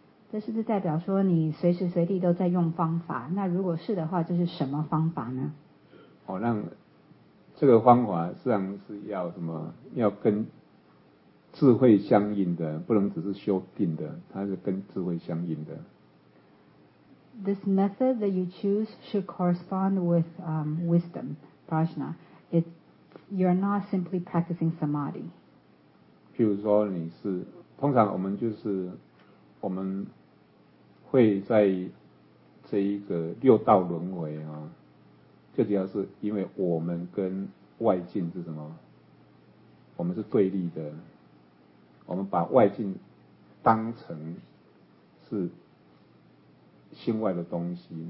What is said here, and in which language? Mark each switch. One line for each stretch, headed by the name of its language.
Chinese: 这是不是代表说你随时随地都在用方法？那如果是的话，就是什么方法呢？哦，那这个方法实际上是要什么？要跟智慧相应的，不能只是修定的，它是跟智慧相应的。
English: This method that you choose should correspond with wisdom, prajna. You're not simply practicing samadhi.
Chinese: 譬如说，你是通常我们就是。我们会在这一个六道轮回啊，最主要是因为我们跟外境是什么？我们是对立的，我们把外境当成是心外的东西。